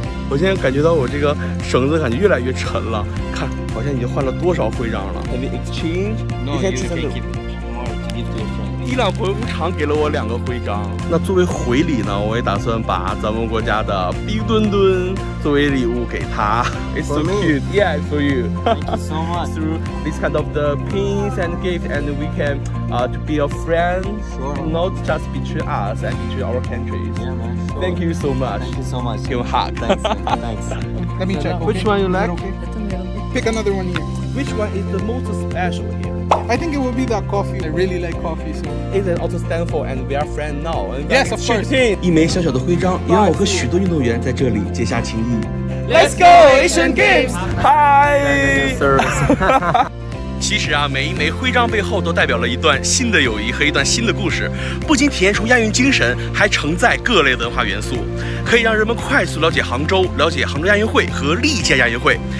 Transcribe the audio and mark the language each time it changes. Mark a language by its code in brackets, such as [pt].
[zh] 我现在感觉到我这个绳子感觉越来越沉了，看，好像已经换了多少徽章了。 [en] Can we exchange? No, you can keep it. More. [zh] 伊朗博物场给了我两个徽章，那作为回礼呢，我也打算把咱们国家的冰墩墩作为礼物给他。 [en] It's so cute. For me. Yeah, for you. Thank you so much. Through this kind of the pins and gifts, and we can to be a friend. Sure. Not just between us and between our countries. Yeah, man. Thank you so much. Thank you so much. Give him a hug. Thanks. Let me check. Okay. Which one you like? Pick another one here. Which one is the most special here? I think it would be that coffee. I really like coffee. So. Is it also Stanford and we are friends now? Yes, of course. [zh] 一枚小小的徽章，也让我和许多运动员在这里结下情谊。 [en] Let's go, Asian Games! Hi! [zh] 其实啊，每一枚徽章背后都代表了一段新的友谊和一段新的故事，不仅体现出亚运精神，还承载各类文化元素，可以让人们快速了解杭州，了解杭州亚运会和历届亚运会。